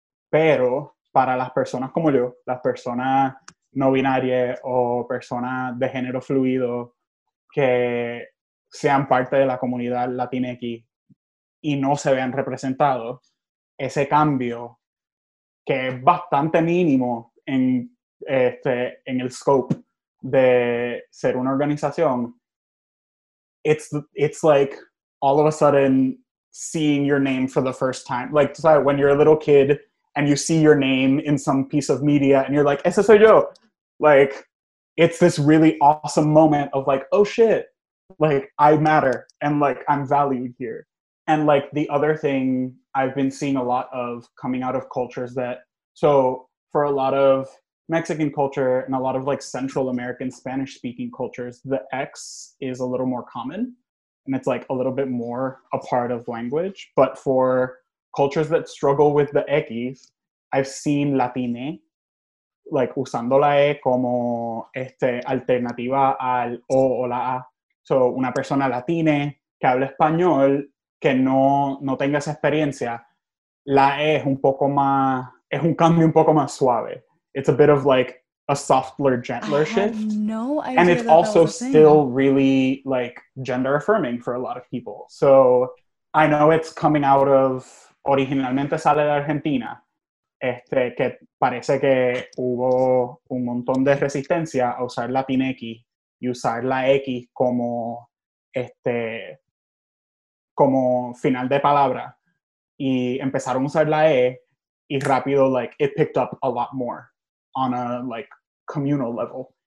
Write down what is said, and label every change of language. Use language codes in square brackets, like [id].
[es] Pero para las personas como yo, las personas no binarias o personas de género fluido que sean parte de la comunidad latinx y no se vean representados, ese cambio, que es bastante mínimo en el scope de ser una organización, [en] it's like all of a sudden seeing your name for the first time. Like, sorry, when you're a little kid and you see your name in some piece of media and you're like, [es] ese soy yo. [en] Like, it's this really awesome moment of like, oh shit, like, I matter and like, I'm valued here. And like, the other thing I've been seeing a lot of coming out of cultures that, so for a lot of Mexican culture and a lot of like Central American Spanish speaking cultures, the X is a little more common and it's like a little bit more a part of language. But for cultures that struggle with the X, I've seen Latine, like [es] usando la E como alternativa al O o la A. So una persona Latine que habla español, que no tenga esa experiencia, la E es un poco más, es un cambio un poco más suave. [en] It's a bit of like a softer, gentler shift. No idea. And it's also still really like gender affirming for a lot of people. So I know it's coming out of, [es] originalmente sale de Argentina, que parece que hubo un montón de resistencia a usar Latinx y usar la X como como final de palabra, y empezaron a usar la E, y rápido, like, [en] it picked up a lot more on a, like, communal level.